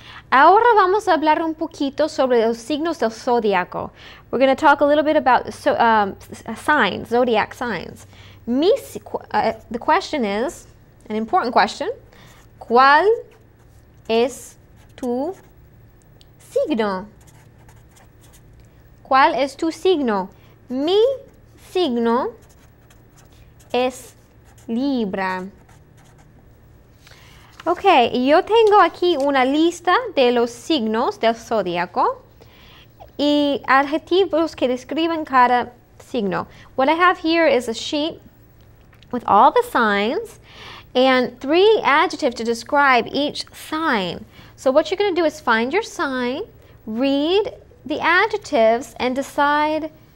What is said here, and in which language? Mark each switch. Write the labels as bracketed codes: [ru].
[es] Ahora vamos a hablar un poquito sobre los signos del zodiaco. [en] We're going to talk a little bit about signs, zodiac signs. The question is, an important question, [es] ¿cuál es tu signo? ¿Cuál es tu signo? Mi signo es Libra. Ok, yo tengo aquí una lista de los signos del zodiaco y adjetivos que describen cada signo. [en] What I have here is a sheet with all the signs and 3 adjectives to describe each sign. So what you're going to do is find your sign, read the adjectives, and decide.